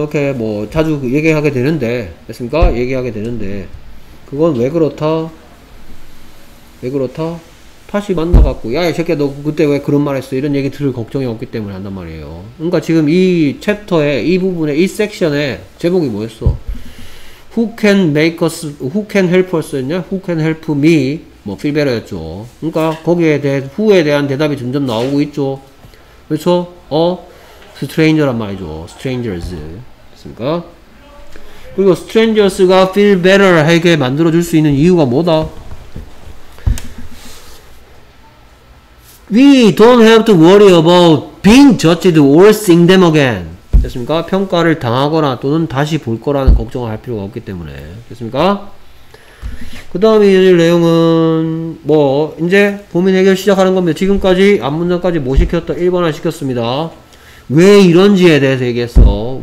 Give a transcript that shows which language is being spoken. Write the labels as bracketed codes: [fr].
[ko] 이렇게 뭐 자주 얘기하게 되는데. 됐습니까? 얘기하게 되는데. 그건 왜 그렇다? 왜 그렇다? 다시 만나갖고 야 이 새끼야 너 그때 왜 그런 말 했어 이런 얘기 들을 걱정이 없기 때문에 한단 말이에요. 그러니까 지금 이 챕터에 이 부분에 이 섹션에 제목이 뭐였어? [en] Who can make us, who can help us 였냐? Who can help me? 뭐 feel better 였죠. [ko] 그러니까 거기에 대해 who에 대한 대답이 점점 나오고 있죠. 그렇죠? 어? stranger란 말이죠. strangers 됐습니까? 그리고 strangers가 [en] feel better [ko] 하게 만들어줄 수 있는 이유가 뭐다? [en] We don't have to worry about being judged or seeing them again. [ko] 됐습니까? 평가를 당하거나 또는 다시 볼 거라는 걱정을 할 필요가 없기 때문에. 됐습니까? 그 다음에 이어질 내용은 뭐 이제 고민 해결 시작하는 겁니다. 지금까지 앞문장까지 뭐 시켰다? 1번화 시켰습니다. 왜 이런지에 대해서 얘기했어.